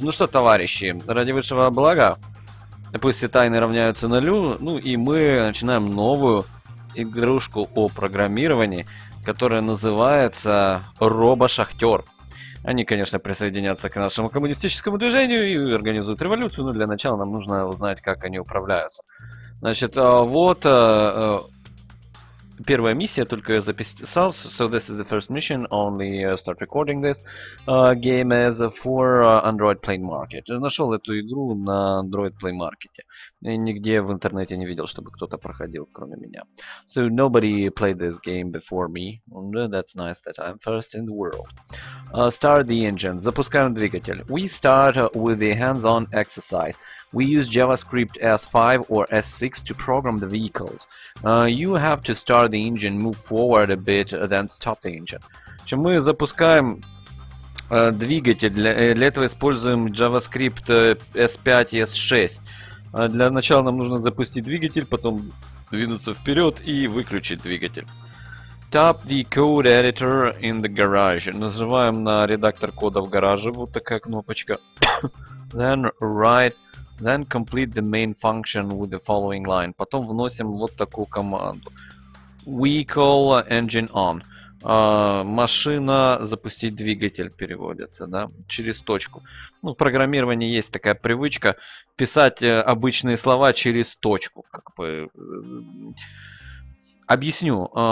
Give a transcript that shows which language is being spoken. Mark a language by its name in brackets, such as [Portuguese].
[Russian] Ну что, товарищи, ради высшего блага, пусть все тайны равняются нулю, ну и мы начинаем новую игрушку о программировании, которая называется «Робошахтер». Они, конечно, присоединятся к нашему коммунистическому движению и организуют революцию, но для начала нам нужно узнать, как они управляются. Значит, вот первая миссия, только я записал. [English] So this is the first mission, only start recording this. Game is for Android Play Market. [Russian] Я нашел эту игру на Android Play Market. И нигде в интернете не видел, чтобы кто-то проходил, кроме меня. [English] So nobody played this game before me. And that's nice that I'm first in the world. Start the engine. [Russian] Запускаем двигатель. [English] We start with the hands-on exercise. We use JavaScript S5 or S6 to program the vehicles. You have to start the engine, move forward a bit, then stop the engine. [Russian] Чем мы запускаем двигатель? Для этого используем JavaScript S5 и S6. Для начала нам нужно запустить двигатель, потом двинуться вперед и выключить двигатель. [English] Tap the code editor in the garage. [Russian] Нажимаем на редактор кода в гараже, вот такая кнопочка. [English] Then write, then complete the main function with the following line. [Russian] Потом вносим вот такую команду. [English] We call engine on. [Russian] Машина запустить двигатель переводится, да, через точку. Ну, в программировании есть такая привычка писать обычные слова через точку. Как бы... Объясню.